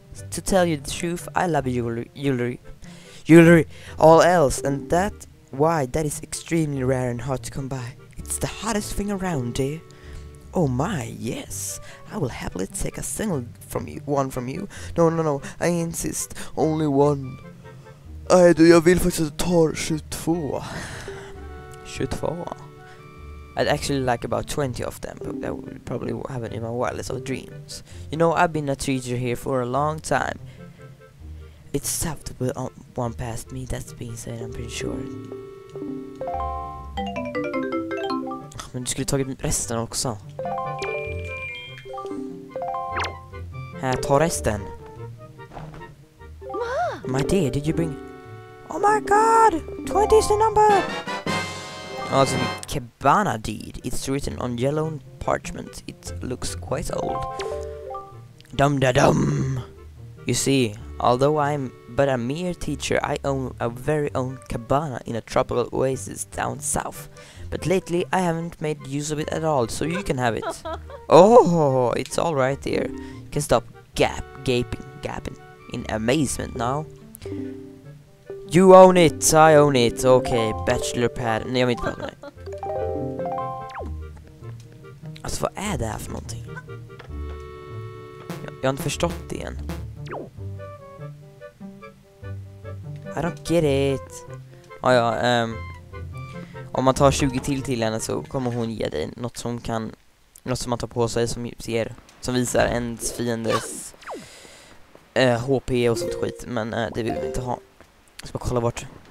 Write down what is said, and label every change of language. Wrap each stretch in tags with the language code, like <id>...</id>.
<en>To tell you the truth, I love jewelry. Jewelry, all else, and that... why, that is extremely rare and hard to come by. It's the hottest thing around, dear. Oh my, yes. I will happily take a single from you, one from you. No, no, no, I insist. Only one.</en> <sv>Aj, du, jag vill faktiskt att du tar 22.</sv> <en>22? I'd actually like about 20 of them, but that would probably happen in my wildest of dreams. You know, I've been a treasure here for a long time. It's tough to put one past me, that's being said, I'm pretty sure.</en> <sv>Men du skulle tagit resten också. Här, ta resten. Ma!</sv> <en>My dear, did you bring... oh my god! 20 is the number! Alltså, Cabana deed. It's written on yellow parchment. It looks quite old. Dum-da-dum! You see... although I'm but a mere teacher, I own a very own cabana in a tropical oasis down south. But lately, I haven't made use of it at all, so you can have it. Oh, it's all right, dear. You can stop gaping in amazement now. You own it, I own it. Okay, bachelor pad.</en> <sv>Nej, jag vet inte vad det är. Alltså, vad är det här för någonting? Jag har inte förstått det än.</sv> <en>I don't get it.</en> <sv>Ah, ja, om man tar 20 till henne så kommer hon ge dig något som kan, något som man tar på sig som ser, som visar ens fiendes HP och sånt skit, men det vill vi inte ha. Jag ska bara kolla bort.</sv>